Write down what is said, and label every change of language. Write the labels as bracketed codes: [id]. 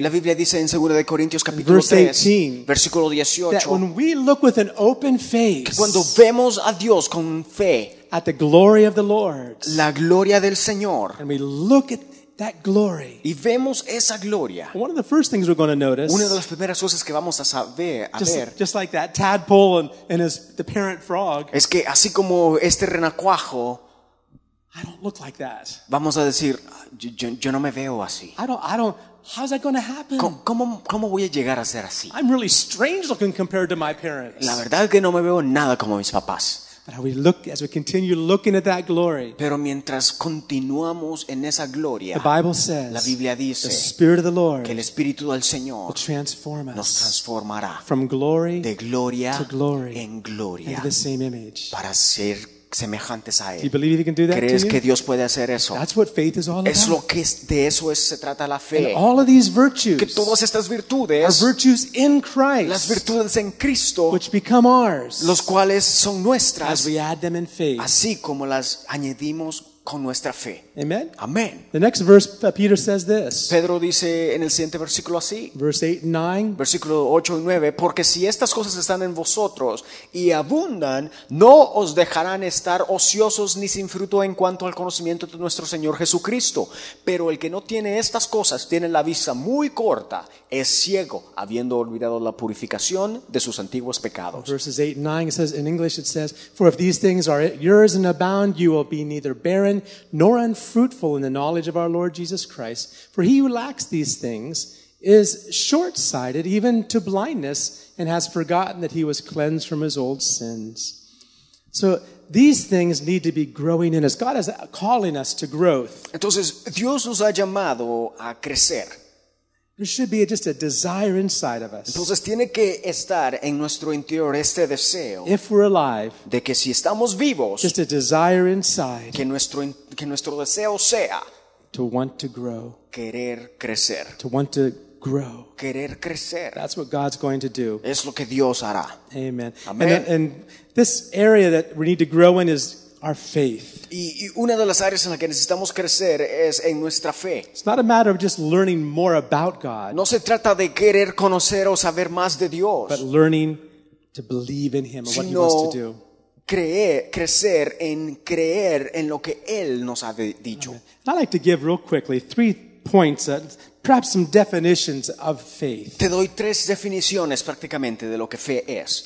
[es] La Biblia dice en 2 de Corintios capítulo [en] 3, verse 18, [es] versículo 18. [en] That when we look with an open face, [es] cuando vemos a Dios con fe, [en] at the glory of the Lord. [es] La gloria del Señor. [en] And we look at that glory. [es] Y vemos esa gloria. [en] One of the first things we're going to notice. [es] Una de las primeras cosas que vamos a saber, [en] just like that tadpole and his the parent frog. [es] Es que así como este renacuajo. [en] I don't look like that. [es] Vamos a decir, yo no me veo así. [en] I don't. How's that going to happen? [es] ¿Cómo voy a llegar a ser así? [en] I'm really strange looking compared to my parents. [es] La verdad es que no me veo nada como mis papás. [en] But we look as we continue looking at that glory. [es] Pero mientras continuamos en esa gloria, [en] the Bible says, [es] la Biblia dice, [en] the Spirit of the Lord, [es] que el Espíritu del Señor, [en] will transform us, [es] nos transformará, [en] from glory, [es] de gloria, [en] to glory, [es] en gloria, [en] into the same image, [es] para ser semejantes a él. [en] Do you believe He can do that? [es] ¿Crees [en] to [es] que [en] you? [es] Dios puede hacer eso? [en] That's what faith is all [es] es [en] about. [es] Lo que de eso se trata la fe. [en] And all of these virtues, [es] que todas estas virtudes, [en] are virtues in Christ, [es] las virtudes en Cristo, [en] which become ours, [es] los cuales son nuestras, [en] as we add them in faith, [es] así como las añadimos con nuestra fe. [en] Amen. [es] Amen. [en] The next verse, Peter says this. [es] Pedro dice en el siguiente versículo así. [en] Verse 8 and 9. [es] Versículo 8 y 9. Porque si estas cosas están en vosotros y abundan, no os dejarán estar ociosos ni sin fruto en cuanto al conocimiento de nuestro Señor Jesucristo. Pero el que no tiene estas cosas tiene la vista muy corta, es ciego, habiendo olvidado la purificación de sus antiguos pecados. [en] Verses 8 and 9. It says, in English it says, for if these things are yours and abound, you will be neither barren nor unfruitful in the knowledge of our Lord Jesus Christ. For he who lacks these things is short-sighted even to blindness and has forgotten that he was cleansed from his old sins. So these things need to be growing in us. God is calling us to growth. [es] Entonces, Dios nos ha llamado a crecer. [en] There should be just a desire inside of us. [es] Entonces tiene que estar en nuestro interior este deseo. [en] If we're alive, [es] de que si estamos vivos, [en] just a desire inside, [es] que nuestro deseo sea [en] to want to grow, [es] querer crecer, [en] to want to grow, [es] querer crecer. [en] That's what God's going to do. [es] Es lo que Dios hará. [en] Amen. [es] Amen. [en] And this area that we need to grow in is our faith. [es] Y una de las áreas en la que necesitamos crecer es en nuestra fe. [en] It's not a matter of just learning more about God. [es] No se trata de querer conocer o saber más de Dios. [en] But learning to believe in Him and what He wants to do. [es] Crecer en creer en lo que Él nos ha dicho. [en] Amen. I'd like to give real quickly three points that perhaps some definitions of faith. [es] Te doy tres definiciones prácticamente de lo que fe es.